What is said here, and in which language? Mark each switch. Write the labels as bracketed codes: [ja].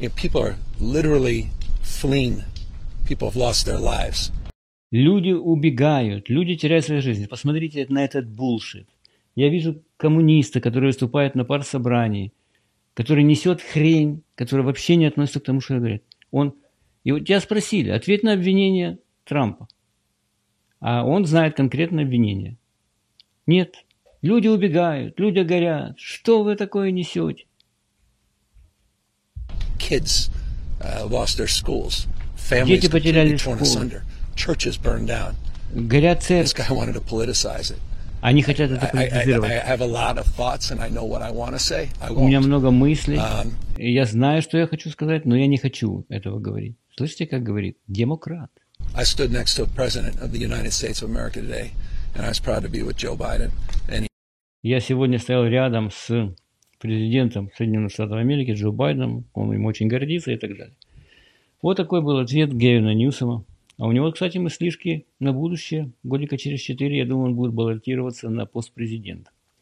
[en] You know, people are literally fleeing. People have lost their lives. [ru] Люди убегают, люди теряют свои жизни. Посмотрите на этот булшит. Я вижу коммуниста, который выступает на партсобрании, который несет хрень, который вообще не относится к тому, что говорит. Он... И вот тебя спросили, ответ на обвинение Трампа. А он знает конкретное обвинение. Нет. Люди убегают, люди горят. Что вы такое несете? [en] Kids, lost their schools. Families [ru] дети потеряли школы. [en] Churches burned down. [ru] Горят церкви. [en] This guy wanted to politicize it. [ru] Они хотят это политизировать. [en] I have a lot of thoughts and I know what I want to say. I won't. [ru] У меня много мыслей. И я знаю, что я хочу сказать, но я не хочу этого говорить. Слышите, как говорит демократ? [en] I stood next to a president of the United States of America today and I was proud to be with Joe Biden. And [ru] я сегодня стоял рядом с президентом Соединенных Штатов Америки Джо Байденом. Он им очень гордится и так далее. Вот такой был ответ Гэвина Ньюсома. А у него, кстати, мыслишки на будущее. Годика через 4, я думаю, он будет баллотироваться на пост президента.